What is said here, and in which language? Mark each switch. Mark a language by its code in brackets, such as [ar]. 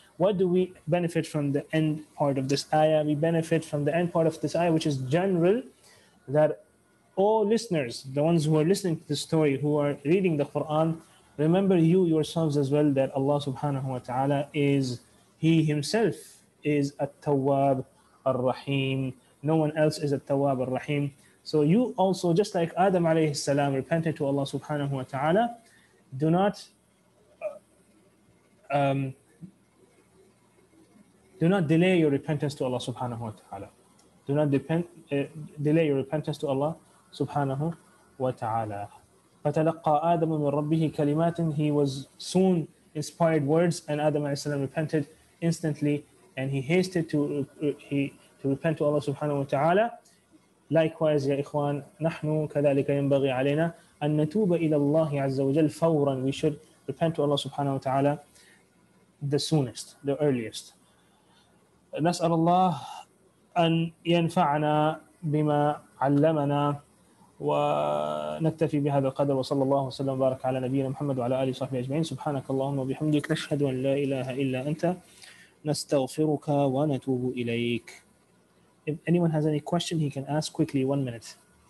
[en] What do we benefit from the end part of this ayah? We benefit from the end part of this ayah, which is general, that all listeners, the ones who are listening to the story, who are reading the Quran, remember you yourselves as well that Allah subhanahu wa ta'ala is, He Himself is [ar] التواب الرحيم. [en] No one else is [ar] التواب الرحيم. [en] So you also, just like Adam alayhi salam repented to Allah subhanahu wa ta'ala, do not delay your repentance to Allah subhanahu wa ta'ala. Do not delay your repentance to Allah subhanahu wa ta'ala. [ar] فَتَلَقَّى آدَمُ مِنْ رَبِّهِ كَلِمَاتٍ. [en] He was soon inspired words, and Adam alayhi salam repented instantly, and he hasted to repent to Allah subhanahu wa ta'ala. [ar] Likewise, يا إخوان, نحن كذلك ينبغي علينا أن نتوب إلى الله عز وجل فورا. [en] We should repent to Allah subhanahu wa ta'ala the soonest, the earliest. [ar] نسأل الله أن ينفعنا بما علمنا ونكتفي بهذا القدر. وصلى الله وسلم وبارك على نبينا محمد وعلى آله وصحبه أجمعين. سبحانك اللهم وبحمدك, نشهد أن لا إله إلا أنت, نستغفرك ونتوب إليك. [en] If anyone has any question, he can ask quickly, 1 minute.